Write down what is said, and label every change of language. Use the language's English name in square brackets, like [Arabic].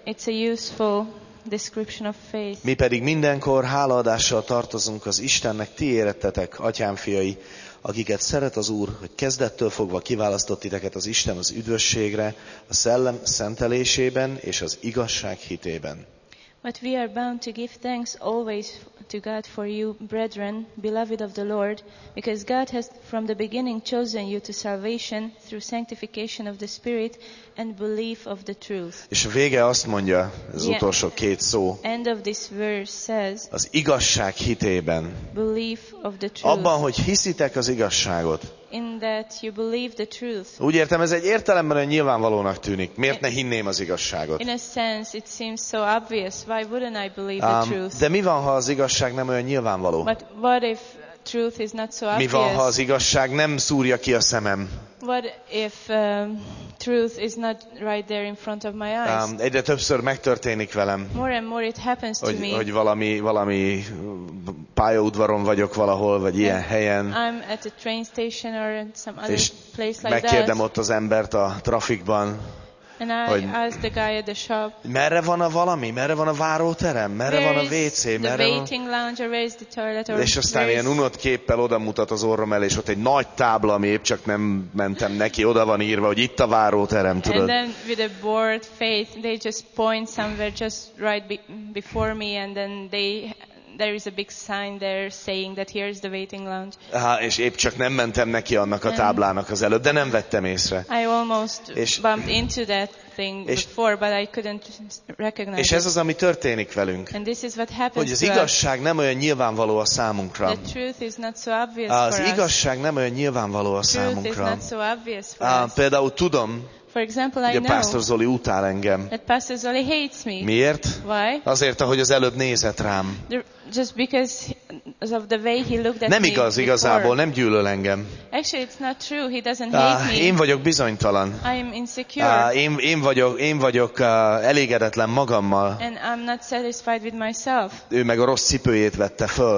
[English] It's a useful description of faith. [Hungarian] Mi pedig mindenkor hálaadással tartozunk az Istennek, ti érettetek, atyám fiai, akiket szeret az Úr, hogy kezdettől fogva kiválasztott titeket az Isten az üdvösségre, a szellem szentelésében és az igazság hitében. [English] But we are bound to give thanks always to God for you, brethren, beloved of the Lord, because God has from the beginning chosen you to salvation through sanctification of the Spirit and belief of the truth. [Hungarian] És a vége azt mondja, ez yeah, utolsó két szó. [English] End of this verse says, [Hungarian] az igazság hitében. [English] Belief of the truth. [Hungarian] Abban, hogy hiszitek az igazságot. [English] In that you believe the truth. [Hungarian] Úgy értem, ez egy értelemben olyan nyilvánvalónak tűnik. Miért ne hinném az igazságot? [English] In a sense, it seems so obvious. Why wouldn't I believe the truth? [Hungarian] De mi van, ha az igazság nem olyan nyilvánvaló? [English] But what if truth is not so obvious? [Hungarian] Mi van, ha az igazság nem szúrja ki a szemem? [English] What if truth is not right there in front of my eyes? [Hungarian] Egyre többször megtörténik velem. [English] More and more it happens to me. [Hungarian] Hogy valami pályaudvaron vagyok valahol, vagy ilyen helyen. [English] I'm at a train station or in some other place like that. [Hungarian] És megkérdem ott az embert a trafikban. [English] And I ask the guy at the shop. [Hungarian] Merre van a valami? Merre van a váróterem? Merre van a WC? Merre van [English] the waiting lounge or where is the toilet? [Hungarian] És aztán ilyen unott képpel oda mutat az orrom el, és ott egy nagy tábla, ami épp csak nem mentem neki, oda van írva, hogy itt a váróterem, tudod. [English] And then with a bored face, they just point somewhere just right before me, and then they there is a big sign there saying that here is the waiting lounge. [Hungarian] És épp csak nem mentem neki annak a táblának az előtt, de nem vettem észre. [English] I almost bumped into that thing before, but I couldn't recognize. [Hungarian] És ez az, ami történik velünk. [English] And this is what happens. [Hungarian] Hogy az igazság nem olyan nyilvánvaló a számunkra. [English] The truth is not so obvious. [Hungarian] Az igazság nem olyan nyilvánvaló a számunkra. [English] Truth is not so obvious for us. [Hungarian] Például tudom. [English] For example, I know. [Hungarian] Pastor Zoli utál engem. [English] That Pastor Zoli hates me. [Hungarian] Miért? [English] Why? [Hungarian] Azért, ahogy az előbb nézett rám. [English] Just because of the way he looked at me. [Hungarian] Nem igaz, igazából nem gyűlöl engem. [English] Actually, it's not true. He doesn't hate me. [Hungarian] Én vagyok bizonytalan. [English] I'm insecure. [Hungarian] Én vagyok elégedetlen magammal. [English] And I'm not satisfied with myself. [Hungarian] Ő meg a rossz cipőjét vette föl.